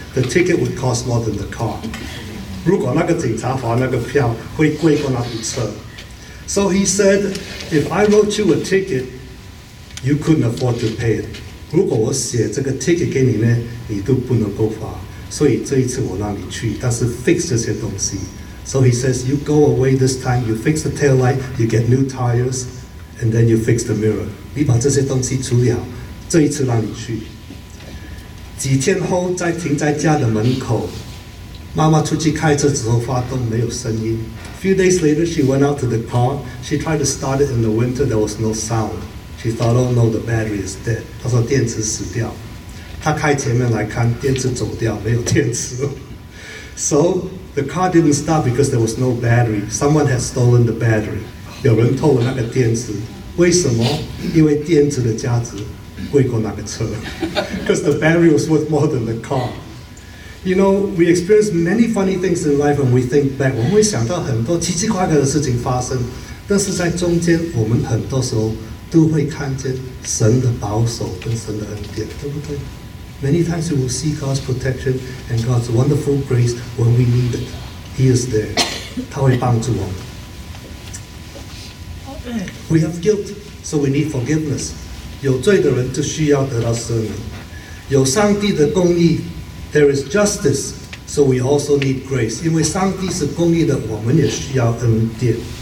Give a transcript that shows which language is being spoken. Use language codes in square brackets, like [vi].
[en] The ticket would cost more than the car. [zh] 如果那个警察罚那个票会贵过那部车。 [en] So he said, if I wrote you a ticket, you couldn't afford to pay it. [zh] 如果我写这个ticket给你呢, 你都不能够罚。所以这一次我让你去,但是fix这些东西。 [en] So he says, you go away this time, you fix the tail light, you get new tires, and then you fix the mirror. [zh] 你把这些东西处理好,这一次让你去。几天后,在停在家的门口, 妈妈出去开车之后发动没有声音。 [en] Few days later, she went out to the car, she tried to start it in the winter, there was no sound. She thought, oh no, the battery is dead. [zh] 她说电池死掉。他开前面来看,电池走掉,没有电池了。 [en] So, the car didn't stop because there was no battery. Someone had stolen the battery. [zh] 有人偷了那个电池。为什么? 因为电池的价值贵过那个车。 [en] Because the battery was worth more than the car. You know, we experience many funny things in life when we think back. [zh] 我们会想到很多奇奇怪怪的事情发生, 但是在中间,我们很多时候都会看见神的保守跟神的恩典,对不对? [en] Many times we will see God's protection and God's wonderful grace when we need it. He is there. [zh] 他会帮助我们. [en] We have guilt, so we need forgiveness. [zh] 有罪的人就需要得到赦免. 有上帝的公义, [en] there is justice, so we also need grace. [zh] 因为上帝是公义的, 我们也需要恩典.